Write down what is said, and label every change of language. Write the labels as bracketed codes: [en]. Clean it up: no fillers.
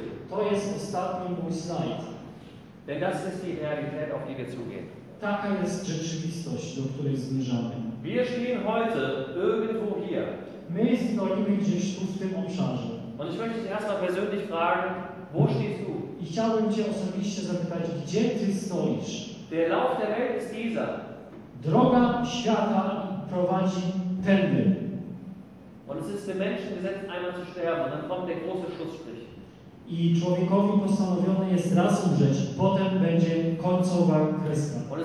[pl] To jest ostatni mój slajd. [de] Denn das ist die Realität, auf die wir zugehen. [pl] Taka jest rzeczywistość, do której zmierzamy. [de] Wir stehen heute irgendwo hier. [pl] My stoimy gdzieś tu w tym obszarze. [de] Und ich möchte dich erstmal persönlich fragen, wo stehst du? [pl] I chciałbym cię osobiście zapytać, gdzie ty stoisz? [de] Der Lauf der Welt ist dieser. [pl] Droga świata prowadzi tędy. [de] Und es ist dem Menschen gesetzt, einmal zu sterben. Dann kommt der große Schlussstrich. [pl] I człowiekowi postanowione jest raz umrzeć, potem będzie końcowa kreska.